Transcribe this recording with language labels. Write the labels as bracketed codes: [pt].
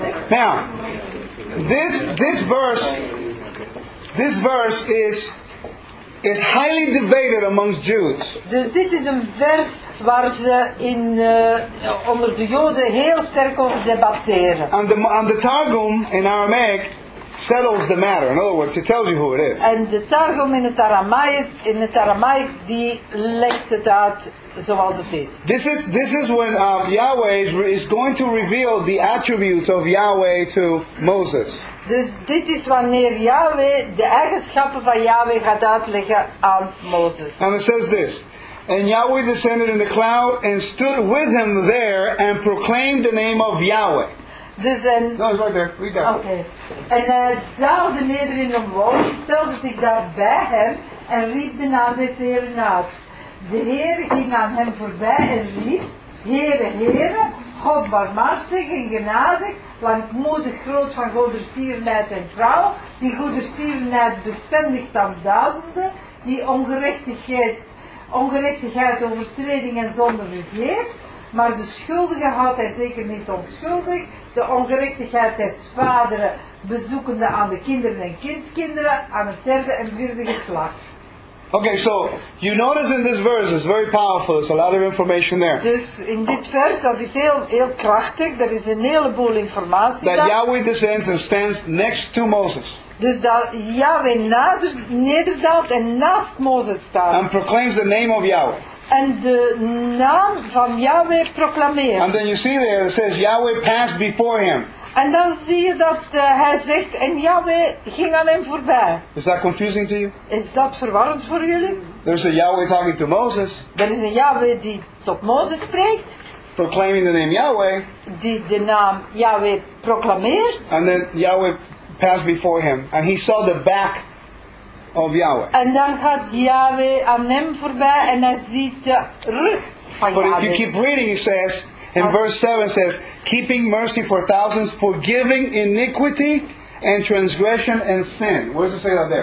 [en] Now, this verse is highly debated amongst Jews. [nl] Dus dit is een vers waar ze in onder de Joden heel sterk over debatteren. [en] And the Targum in Aramaic settles the matter. In other words, it tells you who it is. [nl] En de Targum in het Aramaïs die legt het uit zoals het is. [en] This is when Yahweh is going to reveal the attributes of Yahweh to Moses. [nl] Dus dit is wanneer Yahweh de eigenschappen van Yahweh gaat uitleggen aan Mozes. [en] And it says this: And Yahweh descended in the cloud and stood with him there and proclaimed the name of Yahweh. [nl] Dus [en] en. No, it's right there. Read that. Okay. [nl] En hij daalde neder in een wolk, stelde zich daar bij hem en riep de naam des Heeren uit. De Heer ging aan hem voorbij en riep: Heere, Heere, God barmhartig en genadig. Langmoedig, groot van goedertierenheid en trouw, die goedertierenheid bestendigt aan duizenden, die ongerechtigheid, overtreding en zonde vergeet, maar de schuldige houdt hij zeker niet onschuldig, de ongerechtigheid des vaderen bezoekende aan de kinderen en kindskinderen, aan het derde en vierde geslacht. [en] Okay, so you notice in this verse, it's very powerful. There's a lot of information there. [nl] Dus in dit vers, dat is heel, heel krachtig. Er is een heleboel informatie. [en] That Yahweh descends and stands next to Moses. [nl] Dus dat Yahweh nederdaalt en naast Moses staat. [en] And proclaims the name of Yahweh. [nl] En de naam van Yahweh proclameert. [en] And then you see there, it says Yahweh passed before him. [nl] En dan zie je dat hij zegt, en Yahweh ging aan hem voorbij. [en] Is that confusing to you? [nl] Is dat verwarrend voor jullie? [en] There's a Yahweh talking to Moses. [nl] Er is een Yahweh die tot Mozes spreekt. [en] Proclaiming the name Yahweh. [nl] Die de naam Yahweh proclameert. [en] And then Yahweh passed before him. And he saw the back of Yahweh. [nl] En dan gaat Yahweh aan hem voorbij en hij ziet de rug van [en] But Yahweh. But if you keep reading, he says... In verse 7 says, keeping mercy for thousands, forgiving iniquity and transgression and sin. Where does it say that there?